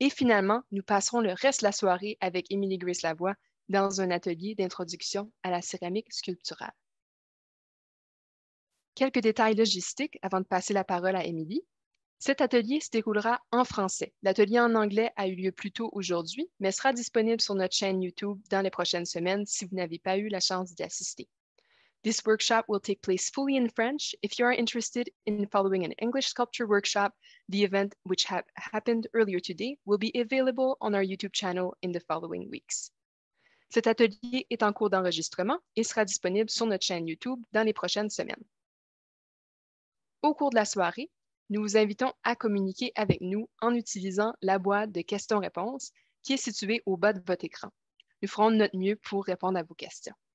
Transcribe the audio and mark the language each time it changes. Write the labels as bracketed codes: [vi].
[fr] Et finalement, nous passerons le reste de la soirée avec Émilie Grace Lavoie dans un atelier d'introduction à la céramique sculpturale. Quelques détails logistiques avant de passer la parole à Émilie. Cet atelier se déroulera en français. L'atelier en anglais a eu lieu plus tôt aujourd'hui, mais sera disponible sur notre chaîne YouTube dans les prochaines semaines si vous n'avez pas eu la chance d'y assister. [en] This workshop will take place fully in French. If you are interested in following an English sculpture workshop, the event which happened earlier today will be available on our YouTube channel in the following weeks. [fr] Cet atelier est en cours d'enregistrement et sera disponible sur notre chaîne YouTube dans les prochaines semaines. Au cours de la soirée, nous vous invitons à communiquer avec nous en utilisant la boîte de questions-réponses qui est située au bas de votre écran. Nous ferons de notre mieux pour répondre à vos questions.